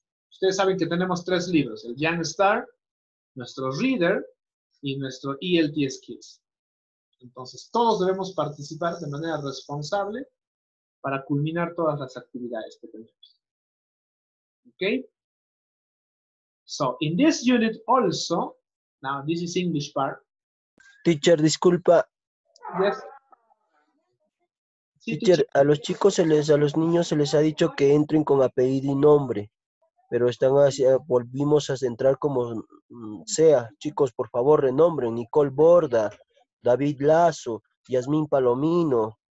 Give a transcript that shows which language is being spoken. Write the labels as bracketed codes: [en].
[es] Ustedes saben que tenemos 3 libros, el Young Star, nuestro Reader, y nuestro ELT Skills. Entonces, todos debemos participar de manera responsable para culminar todas las actividades que tenemos. ¿Ok? [en] So, in this unit also, now this is English part. [es] Teacher, disculpa. [en] Yes. [es] Sí, teacher, a los chicos, a los niños se les ha dicho que entren con apellido y nombre. Pero están hacia, volvimos a centrar como sea. Chicos, por favor, renombren. Nicole Borda, David Lazo, Yasmín Palomino.